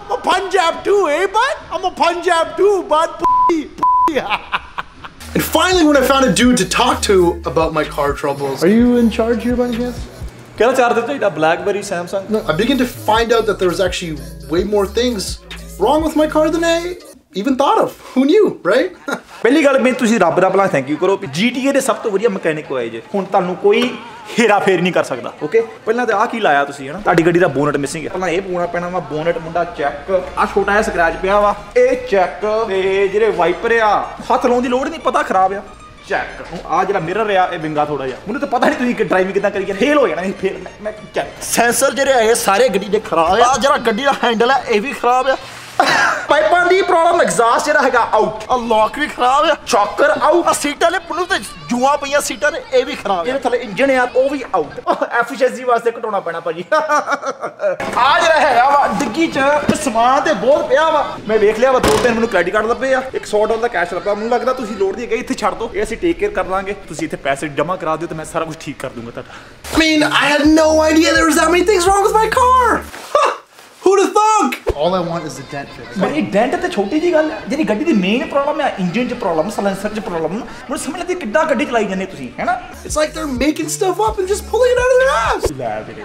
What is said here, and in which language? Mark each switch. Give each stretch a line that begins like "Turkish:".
English: I'm a Punjab too, eh, bud? I'm a Punjab too, bud. Pussy. And finally, when I found a dude to talk to about my car troubles. Are you in charge here by any chance? Can I charge it? A BlackBerry, Samsung? No, I began to find out that there was actually way more things wrong with my car than I even thought of. Who knew, right?
Punjabi: ਪਹਿਲੀ ਗੱਲ ਮੈਂ ਤੁਸੀਂ ਰੱਬ ਦਾ ਭਲਾ thank you ਕਰੋ GTA ਦੇ ਸਭ ਤੋਂ ਵਧੀਆ ਮਕੈਨਿਕ ਹੋਏ ਜੇ ਹੁਣ ਤੁਹਾਨੂੰ ਕੋਈ ਹੇਰਾ ਫੇਰ ਨਹੀਂ ਕਰ ਸਕਦਾ ਓਕੇ ਪਹਿਲਾਂ ਤਾਂ ਆਹ ਕੀ ਲਾਇਆ ਤੁਸੀਂ ਹਨਾ ਤੁਹਾਡੀ ਗੱਡੀ ਦਾ ਬੋਨਟ ਮਿਸਿੰਗ ਹੈ ਪਹਿਲਾਂ ਇਹ ਪੁਆਉਣਾ ਪੈਣਾ ਵਾ ਬੋਨਟ ਮੁੰਡਾ ਚੈੱਕ ਆ ਛੋਟਾ ਜਿਹਾ ਸਕ੍ਰੈਚ ਪਿਆ ਵਾ ਇਹ ਚੈੱਕ ਤੇ ਜਿਹੜੇ ਵਾਈਪਰ ਆ ਹੱਥ ਲਾਉਣ ਦੀ ਲੋੜ ਨਹੀਂ ਪਤਾ ਖਰਾਬ ਆ ਚੈੱਕ ਹੁਣ ਆਹ ਜਿਹੜਾ ਮਿਰਰ ਆ ਇਹ ਵਿੰਗਾ ਥੋੜਾ ਜਿਹਾ ਮੈਨੂੰ ਤਾਂ ਪਤਾ ਨਹੀਂ ਤੁਸੀਂ ਡਰਾਈਵਿੰਗ ਕਿੱਦਾਂ ਕਰੀ ਜਾਂਦੇ ਫੇਲ ਹੋ ਜਾਣਾ ਇਹ ਫੇਲ ਮੈਂ ਚੈੱਕ ਸੈਂਸਰ ਜਿਹੜੇ ਆ ਇਹ ਸਾਰੇ ਗੱਡੀ ਦੇ ਖਰਾਬ ਆ ਆ ਜਿਹੜਾ ਗੱਡੀ ਦਾ ਹੈਂਡਲ ਆ ਇਹ ਵੀ ਖਰਾਬ ਆ ਪਾਈਪਾਂ ਦੀ ਪ੍ਰੋਬਲਮ ਐਗਜ਼ਾਸਟ ਜਿਹੜਾ ਹੈਗਾ ਆਊਟ ਆ ਲੌਕ ਵੀ ਖਰਾਬ ਆ ਚੌਕਰ ਆਊਟ ਆ ਸੀਟ ਵਾਲੇ ਪੁਲੂ ਤੇ ਜੂਆਂ ਪਈਆਂ ਸੀਟਾਂ ਨੇ ਇਹ ਵੀ ਖਰਾਬ ਇਹਦੇ ਥੱਲੇ ਇੰਜਨ ਆ ਉਹ ਵੀ ਆਊਟ ਐਫੀਸ਼ੀਐਂਸੀ ਵਾਸਤੇ ਘਟਾਉਣਾ ਪੈਣਾ ਭਾਜੀ ਆ ਜਿਹੜਾ ਹੈਗਾ ਵਾ ਡਿੱਗੀ ਚ ਸਮਾਨ ਤੇ ਬਹੁਤ ਪਿਆ ਵਾ ਮੈਂ ਵੇਖ ਲਿਆ ਵਾ ਦੋ ਤਿੰਨ ਮੈਨੂੰ ਕ੍ਰੈਡਿਟ ਕਾਰਡ ਲੱਭੇ ਆ $100 ਦਾ ਕੈਸ਼ ਲੱਭਿਆ ਮੈਨੂੰ ਲੱਗਦਾ ਤੁਸੀਂ ਲੋੜ ਦੀ ਹੈਗੀ ਇੱਥੇ ਛੱਡ ਦਿਓ ਇਹ ਅਸੀਂ ਟੇਕ ਕੇਅਰ ਕਰ ਲਾਂਗੇ ਤੁਸੀਂ ਇੱਥੇ ਪੈਸੇ ਜਮ੍ਹਾਂ ਕਰਾ ਦਿਓ ਤੇ ਮੈਂ ਸਾਰਾ ਕੁਝ ਠੀਕ ਕਰ ਦੂੰਗਾ ਤੁਹਾਡਾ
English: Mean I had no idea there was that many things wrong with my car All I want is a dent fix. But this dent is a small thing. The main problem is the engine problem, the silencer problem. I don't understand how many cars you drive, right? It's like they're making stuff up and just pulling it out of their ass.